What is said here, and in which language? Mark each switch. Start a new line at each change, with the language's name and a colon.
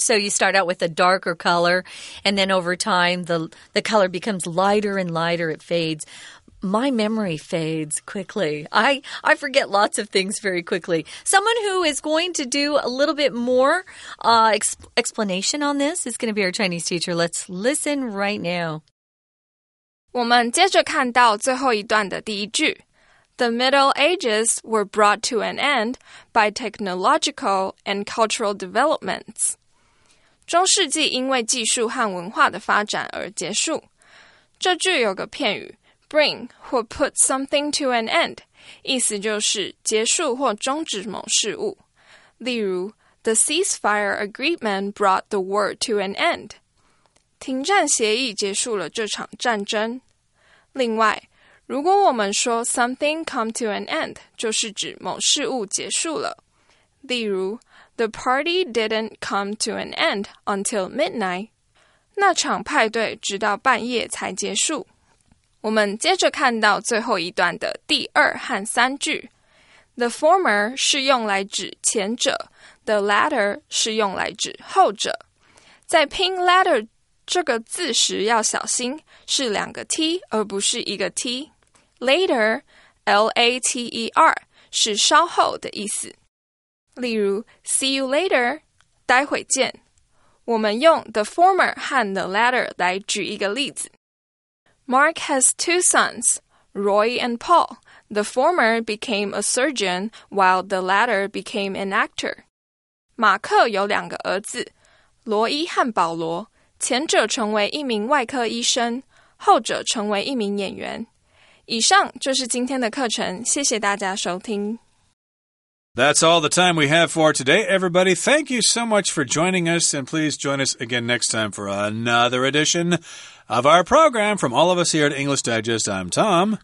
English: So you start out with a darker color, and then over time, the color becomes lighter and lighter. It fades. My memory fades quickly. I forget lots of things very quickly. Someone who is going to do a little bit more explanation on this is going to be our Chinese teacher. Let's listen right now.
Chinese: 我们接着看到最后一段的第一句。
English: The Middle Ages were brought to an end by technological and cultural developments.
Chinese: 中世纪因为技术和文化的发展而结束。这句有个片语 bring 或
English: put something to an end,
Chinese: 意思就是结束或终止某事物。例如
English: The ceasefire agreement brought the war to an end.
Chinese: 停战协议结束了这场战争。另外如果我们说
English: something come to an end,
Chinese: 就是指某事物结束了。例如
English: ,the party didn't come to an end until midnight.
Chinese: 那场派对直到半夜才结束。我们接着看到最后一段的第二和三句。 The former 是用来指前者 ,the latter 是用来指后者。在拼 latter 这个字时要小心是两个 T 而不是一个 T。 Later, L-A-T-E-R, 是稍后的意思。例如 ,
English: see you later,
Chinese: 待会见。我们用 the former 和 the latter 来举一个例子。
English: Mark has two sons, Roy and Paul. The former became a surgeon, while the latter became an actor.
Chinese: 马克有两个儿子,罗伊和保罗。前者成为一名外科医生,后者成为一名演员。以上就是今天的课程，谢谢大家收听。
English: That's all the time we have for today, everybody. Thank you so much for joining us, and please join us again next time for another edition of our program. From all of us here at English Digest, I'm Tom.